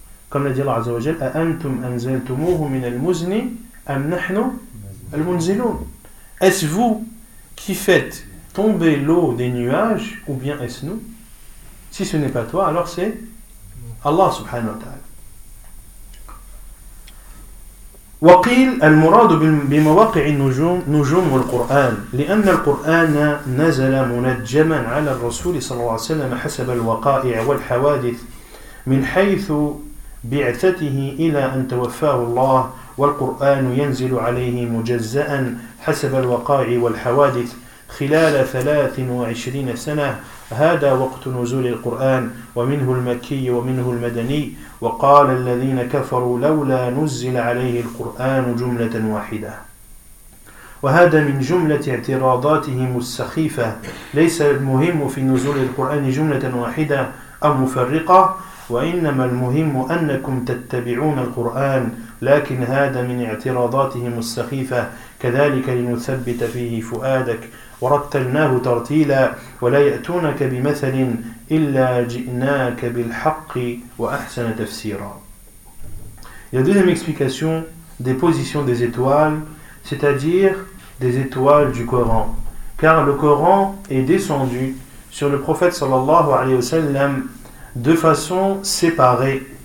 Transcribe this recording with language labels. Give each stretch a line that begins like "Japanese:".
French: Comme l'a dit Allah azza wa jal, «
Arabic: A antum anzaltumuhu min al-muzni, am nahnu Al-Munziloun.
French: Est-ce vous qui faites tomber l'eau des nuages, ou bien est-ce nous? Si ce n'est pas toi, alors c'est Allah subhanahu wa ta'ala.
Arabic: وقيل المراد بمواقع النجوم نجوم القرآن لأن القرآن نزل منجما على الرسول صلى الله عليه وسلم حسب الوقائع والحوادث من حيث بعثته إلى أن توفاه الله والقرآن ينزل عليه مجزأ حسب الوقائع والحوادث خلال 23 سنة هذا وقت نزول القرآن ومنه المكي ومنه المدني وقال الذين كفروا لولا نزل عليه القرآن جملة واحدة وهذا من جملة اعتراضاتهم السخيفة ليس المهم في نزول القرآن جملة واحدة أو مفرقة وإنما المهم أنكم تتبعون القرآن لكن هذا من اعتراضاتهم السخيفة كذلك لنثبت فيه فؤادك ورتلناه ترتيلا ولا يأتونك بمثل إلا جئناك بالحق وأحسن تفسيرا.
French: La deuxième explication des positions des étoiles, c'est-à-dire des étoiles du Coran. Car le Coran est descendu sur le prophète sallallahu alayhi wa sallam de façon séparée